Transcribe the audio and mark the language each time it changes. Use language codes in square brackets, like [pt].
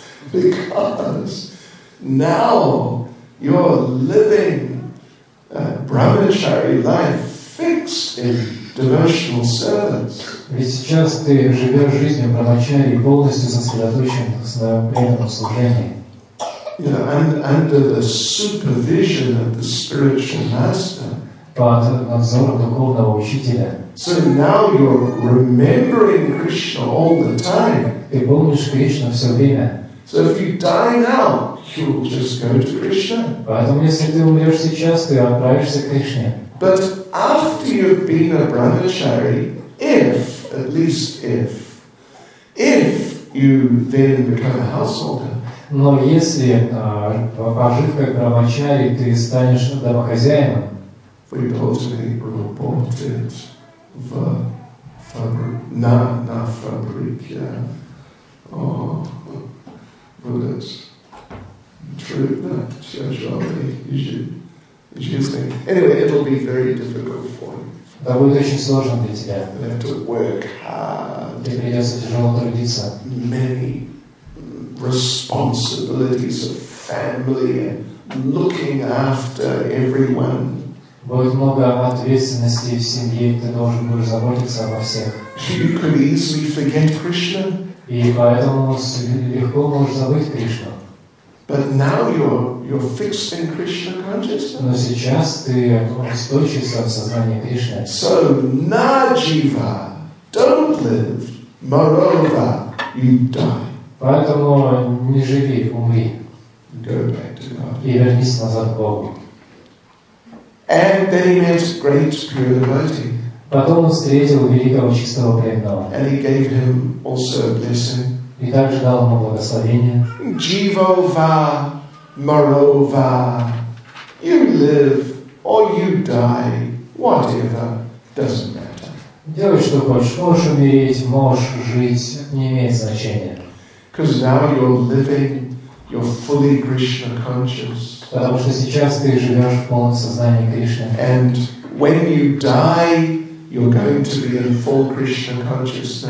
[en] Because now you're living a brahmachari life fixed in devotional service. [ru] Ведь сейчас ты живешь жизнью брахмачари, полностью сосредоточен в своем преданном служении. [en] You know, under the supervision of the spiritual master. [ru] Под надзором духовного учителя. [en] So now you're remembering Krishna all the time. [ru] Ты помнишь Кришну все время. [en] So if you die now, you'll just go to Krishna. [ru] Поэтому если ты умрешь сейчас, ты отправишься к Кришне. [en] But after you've been a brahmachari, if you then become a householder. [ru] Но если пожив как брахмачари, ты станешь домохозяином. выдолжны работать в на фабрике. О, будет трудно, тяжелый жизнь. [en] Anyway, it'll be very difficult for you. [ru] Да будет очень сложно для тебя. [en] To work hard. [ru] Тебе придется тяжело трудиться. [en] Many responsibilities of family and looking after everyone. [ru] Будет много ответственности в семье, ты должен будешь заботиться обо всех. [en] You could easily forget Krishna. [ru] И поэтому легко можешь забыть Кришну. [en] But now you're fixed in Krishna consciousness. [ru] Но сейчас ты устойчився в сознании Кришны. [en] So najiva, don't live. Moreover, you die. [ru] Поэтому не живи, умри. [en] Go back to God. [ru] И вернись назад к Богу. [en] And then he met great pure devotee. [ru] Потом он встретил великого чистого преданного. [en] And he gave him also a blessing. [ru] И также дал ему благословение. [en] Jivova, Marova, you live or you die, whatever, doesn't matter. [ru] Делай что хочешь, можешь умереть, можешь жить, не имеет значения. [en] Because now you're living, you're fully Krishna conscious. [ru] Потому что сейчас ты живешь в полном сознании Кришны. [en] And when you die, you're going to be in full Krishna consciousness.